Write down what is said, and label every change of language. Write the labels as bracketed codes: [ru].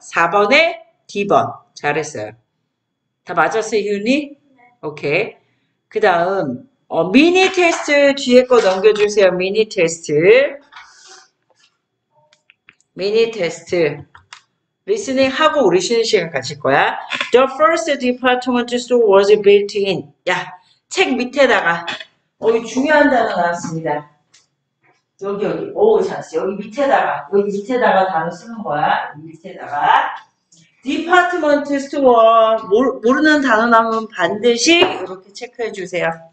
[ko] 4번에 D번. 잘했어요. 다 맞았어요, 희훈이? 오케이. 그 다음. 미니 테스트 뒤에 거 넘겨주세요. 미니 테스트. 미니 테스트. 리스닝하고 우리 쉬는 시간 가질 거야. [en] The first department store was built in. [ko] 야, 책 밑에다가. 중요한 단어 나왔습니다. 여기. 오, 잠시. 여기 밑에다가 단어 쓰는 거야. 여기 밑에다가. department store. 모르는 단어 나오면 반드시 이렇게 체크해 주세요.